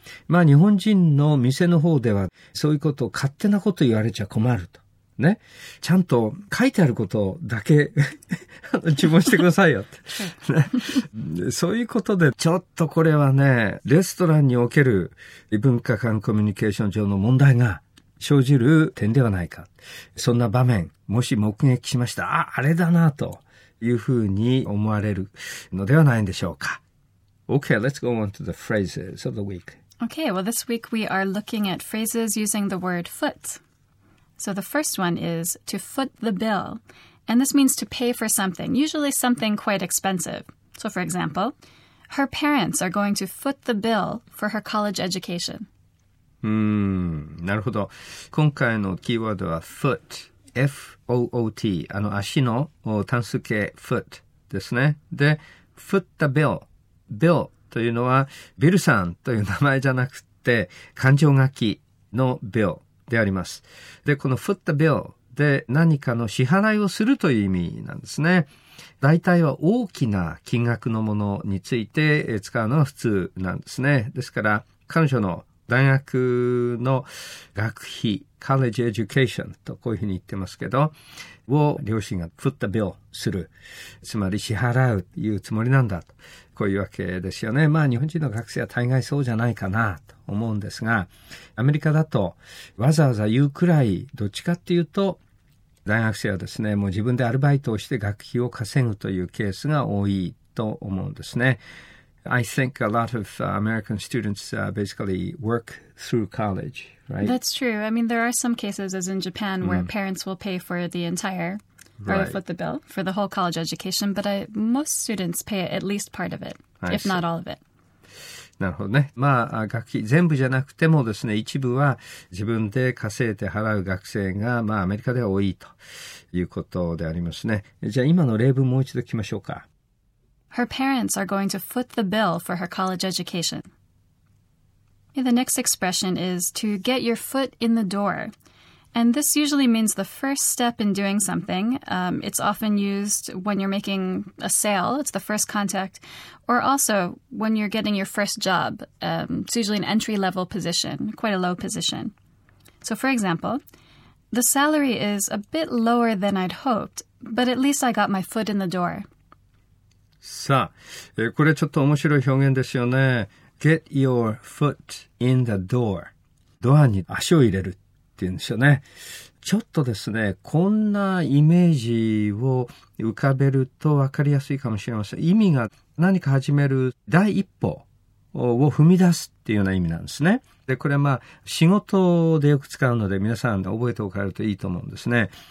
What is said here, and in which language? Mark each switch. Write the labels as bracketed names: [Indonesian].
[Japanese] まあ日本人の店の方ではそういうことを勝手なこと言われちゃ困るとね、ちゃんと書いてあることだけ注文してくださいよって、ね、そういうことでちょっとこれはね、レストランにおける異文化間コミュニケーション上の問題が生じる点ではないか、そんな場面もし目撃しました、あれだなというふうに思われるのではないんでしょうか。 [English] Okay, let's go on to the phrases of the week Okay, well, this week we are looking at phrases using the word foot. So the first one is to foot the bill. And this means to pay for something, usually something quite expensive. So for example, her parents are going to foot the bill for her college education. [Japanese] なるほど。今回のキーワードは foot, F-O-O-T, 足の単数形 foot ですね。で、 [English] foot the bill, [Japanese] bill. というのはビルさんという名前じゃなくて勘定書きの bill であります。で、この [English] foot the bill [Japanese] で何かの支払いをするという意味なんですね。大体は大きな金額のものについて使うのは普通なんですね。ですから彼女の大学の学費 [English] college education [Japanese] とこういうふうに言ってますけど、を両親が [English] put the bill [Japanese] する、つまり支払うというつもりなんだと、こういうわけですよね。まあ日本人の学生は大概そうじゃないかなと思うんですが、アメリカだとわざわざ言うくらい、どっちかっていうと、大学生はですね、もう自分でアルバイトをして学費を稼ぐというケースが多いと思うんですね。 [English] I think a lot of American students basically work through college, right? That's true. I mean, there are some cases, as in Japan, where parents will pay for the entire part of the bill for the whole college education, but most students pay at least part of it, if not all of it. [Japanese] なるほどね。まあ、学費全部じゃなくてもですね、一部は自分で稼いで払う学生が、まあ、アメリカでは多いということでありますね。じゃあ、今の例文もう一度聞きましょうか。 [English] Her parents are going to foot the bill for her college education. The next expression is to get your foot in the door. And this usually means the first step in doing something. It's often used when you're making a sale. It's the first contact. Or also when you're getting your first job. It's usually an entry-level position, quite a low position. So for example, the salary is a bit lower than I'd hoped, but at least I got my foot in the door. [Japanese] さあ、これちょっと面白い表現ですよね。 [English] Get your foot in the door. [Japanese] ドアに足を入れるっていうんですよね。ちょっとですね、こんなイメージを浮かべると分かりやすいかもしれません。意味が何か始める第一歩を踏み出すっていうような意味なんですね。で、これはまあ仕事でよく使うので皆さん覚えておかれるといいと思うんですね。